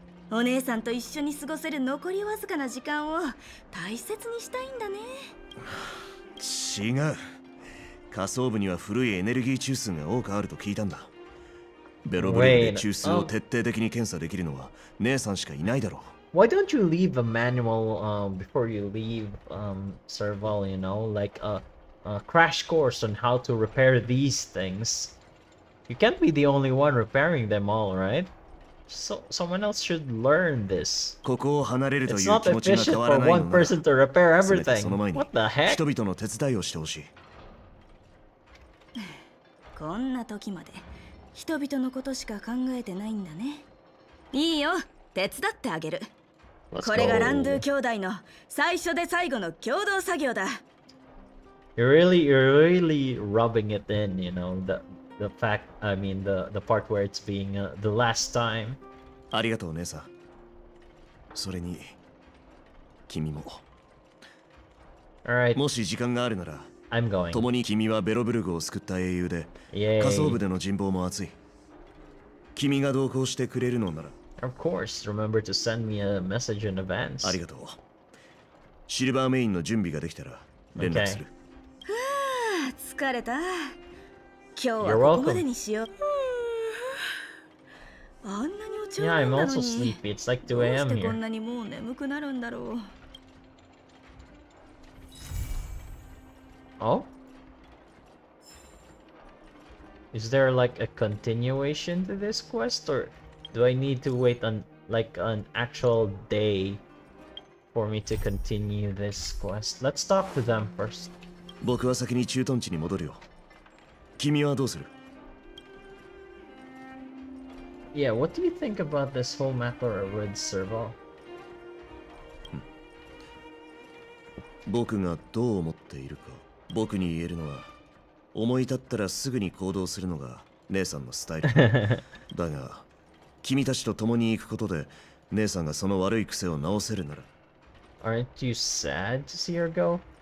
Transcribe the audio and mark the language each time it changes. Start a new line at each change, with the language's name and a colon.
Japanese: お姉さんと一緒に過ごせる残りわずかな時間を大切にしたいんだね。違う、仮想部には古いエネルギー中枢が多くあると聞いたんだ。ベロブルグで中枢を徹底的に検査できるのは姉さんしかいないだろう。
English: Why don't you leave a manual, before you leave, Serval, you know, like a crash course on how to repair these things? You can't be the only one repairing them all, right? So, someone else should learn this.
Japanese: ここを離れるという気持ちが変わらないのなら、せめてその前に人々の手伝いをしてほしい。人々の手伝いをしてほしい。こんな時まで。人々のことしか考えてないんだね。いいよ、手伝ってあげる。これがランドゥ兄弟の最初で最後の共同作業だ。
English: You're really rubbing it in, you know, the part where it's being the last time.
Japanese: ありがとう、姉さん。それに、君も。
English: Alright.
Japanese: もし時間があるなら、
English: I'm going.
Japanese: 共に君はベロブルグを救った英雄で、仮想部での人望も厚い。君が同行してくれるのなら。
English: Of course, remember to send me a message in advance.
Japanese: ありがとう。シルバーメインの準備ができたら、連絡する。疲れた。今日はここまでにしよう。あんなに落ち込んだのに。
English: Yeah, I'm also sleepy. It's like 2 a.m.
Japanese: here. どうしてこんなにもう眠くなるんだろう。
English: Oh? Is there like a continuation to this quest, or do I need to wait on like an actual day for me to continue this quest? Let's talk to them first.
Japanese: 僕は先に駐屯地に戻るよ。君はどうする？
English: Yeah, what do you think about this whole map or a red serval?
Japanese: 僕がどう思っているか、僕に言えるのは、思い立ったらすぐに行動するのが姉さんのスタイルだ。だが、君たちと共に行くことで、姉さんがその悪い癖を直せるなら。
English: Aren't you sad to see her go?